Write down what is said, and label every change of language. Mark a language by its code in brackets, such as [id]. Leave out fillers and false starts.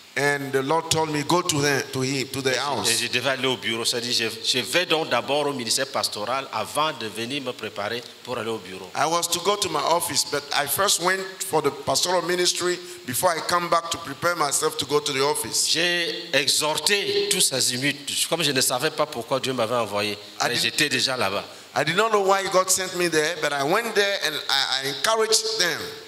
[en] And the Lord told me, go to the house. I was to go to my office, but I first went for the pastoral ministry before I come back to prepare myself to go to the office. [fr] J'ai exhorté tous azimuts, comme je ne savais pas pourquoi Dieu m'avait envoyé, mais j'étais déjà là-bas. [en] I did not know why God sent me there, but I went there and I encouraged them.